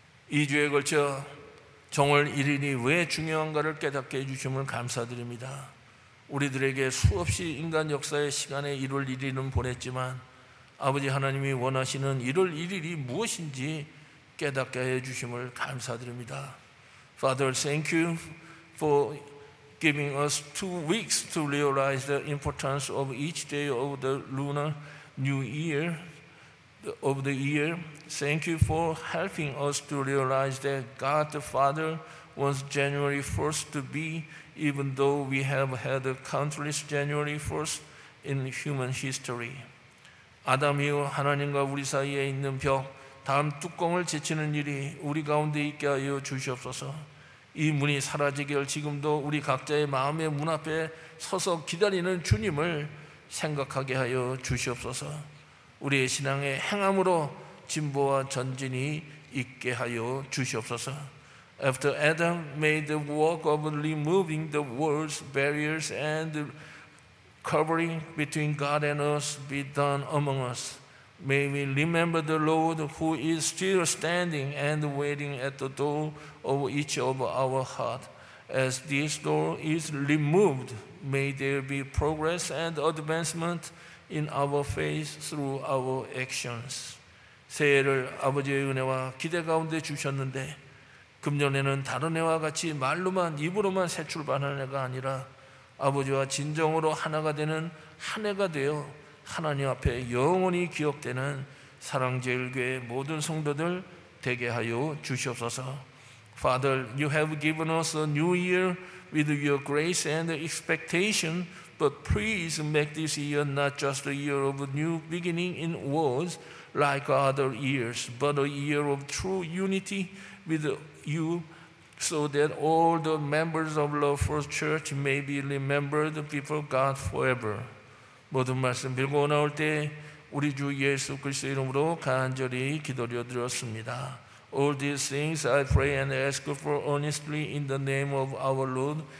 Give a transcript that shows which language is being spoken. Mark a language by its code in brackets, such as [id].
[ko] 2주에 걸쳐 정월 1일이 왜 중요한가를 깨닫게 해주심을 감사드립니다. 우리들에게 수없이 인간 역사의 시간에 1월 1일은 보냈지만 아버지 하나님이 원하시는 1월 1일이 무엇인지 깨닫게 해주심을 감사드립니다. [en] Father, thank you for giving us 2 weeks to realize the importance of each day of the lunar new year, of the year. Thank you for helping us to realize that God the Father wants January 1st to be, even though we have had a countless January 1st in human history. [ko] 아담 이후 하나님과 우리 사이에 있는 벽, 다음 뚜껑을 제치는 일이 우리 가운데 있게 하여 주시옵소서. 이 문이 사라지길 지금도 우리 각자의 마음의 문 앞에 서서 기다리는 주님을 생각하게 하여 주시옵소서. 우리의 신앙의 행함으로 진보와 전진이 있게 하여 주시옵소서. [en] After Adam made the work of removing the world's barriers and covering between God and us be done among us, may we remember the Lord who is still standing and waiting at the door of each of our heart. As this door is removed, may there be progress and advancement in our faith through our actions. [ko] 새해를 아버지의 은혜와 기대 가운데 주셨는데 금년에는 다른 해와 같이 말로만 입으로만 새 출발하는 해가 아니라 아버지와 진정으로 하나가 되는 한 해가 되어 하나님 앞에 영원히 기억되는 사랑제일교회의 모든 성도들 되게 하여 주시옵소서. [en] Father, you have given us a new year with your grace and expectation, but please make this year not just a year of a new beginning in words like other years, but a year of true unity with you so that all the members of the First Church may be remembered before God forever. [ko] 모든 말씀 빌고 나올 때 우리 주 예수 그리스도 이름으로 간절히 기도를 드렸습니다. [en] All these things I pray and ask for earnestly in the name of our Lord.